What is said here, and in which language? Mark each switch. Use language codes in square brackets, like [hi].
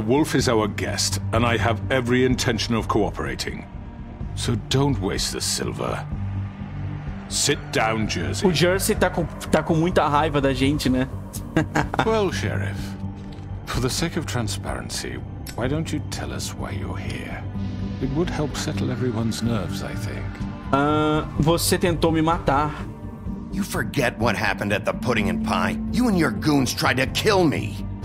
[en] Wolf is our guest, and I have every intention of cooperating. So don't waste the silver. Sit down, Jersey. [pt] O Jersey tá com muita raiva da gente, né? [en] Well, Sheriff, for the sake of transparency, why don't you tell us why you're here? It would help settle everyone's nerves, I think. [pt] Você tentou me matar. [en] You forget what happened at the pudding and pie. You and your goons tried to kill me.